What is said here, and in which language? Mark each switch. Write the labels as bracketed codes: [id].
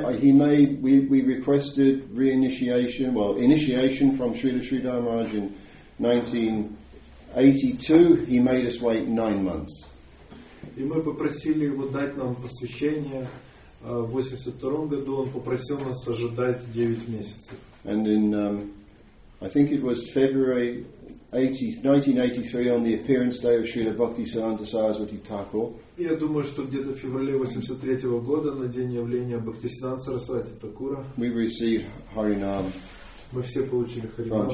[en] We requested reinitiation, well, initiation from Srila Sridhar Maharaj in 1982. He made us wait 9 months. [ru] И мы попросили его дать нам посвящение в 82 году. Он попросил нас ожидать 9 месяцев. [en] And in, I think it was February 1983, on the appearance day of Srila Bhaktisiddhanta Saraswati Thakur. [ru] Я думаю, что где-то в феврале 83 года, на день явления Бхактисиддханты Сарасвати Такура, [en] we received Харинам. [ru] Мы все получили Харинам.